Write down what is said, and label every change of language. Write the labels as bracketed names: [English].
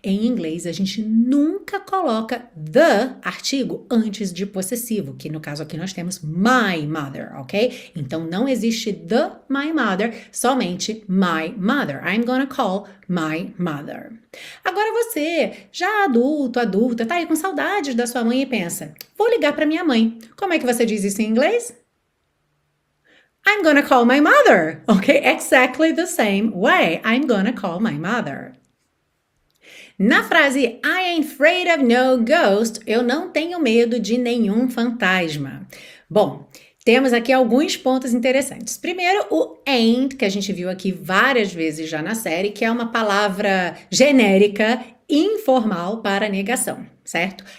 [Portuguese] Em inglês, a gente nunca coloca the artigo antes de possessivo, que no caso aqui nós temos my mother, ok? Então não existe the my mother, somente my mother. [English] I'm gonna call my mother. [Portuguese] Agora você, já adulto, adulta, tá aí com saudades da sua mãe e pensa, vou ligar para minha mãe. Como é que você diz isso em inglês? [English] I'm gonna call my mother, ok? Exactly the same way. I'm gonna call my mother. [Portuguese] Na frase [English] I ain't afraid of no ghost, [Portuguese] eu não tenho medo de nenhum fantasma. Bom, temos aqui alguns pontos interessantes. Primeiro, o ain't, que a gente viu aqui várias vezes já na série, que é uma palavra genérica, informal para negação, certo?